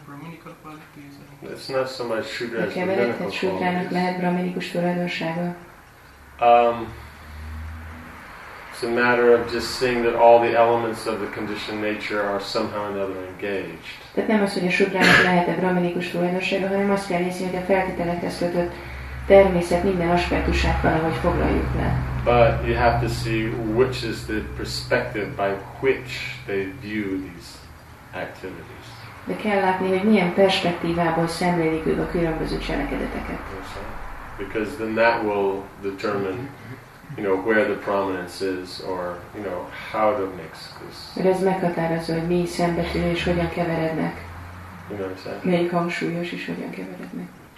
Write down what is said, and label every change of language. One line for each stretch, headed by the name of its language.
English: You can mix it in which way? So, can have Brahminical qualities. It's not so much Shudra as Brahminical qualities. It's a matter of just seeing that all the elements of the conditioned nature are somehow or another engaged.
Hungarian: Tehát nem az, hogy a Shudrának lehet-e Brahminical tulajdonsága, hanem azt kell nézni, hogy a feltételekhez kötött természet minden aspektusát valahogy foglaljuk le.
English: But you have to see which is the perspective by which they view these activities.
Hungarian: De kell látni, hogy milyen perspektívából szemlélik ők a különböző cselekedeteket.
English: Because then that will determine, you know, where the prominence is, or you know, how to mix this.
Hungarian: Mert ez meghatározza, hogy mi szembetűnő és hogyan keverednek.
English: You know what I'm saying?
Hungarian: Melyik hangsúlyos és hogyan keverednek.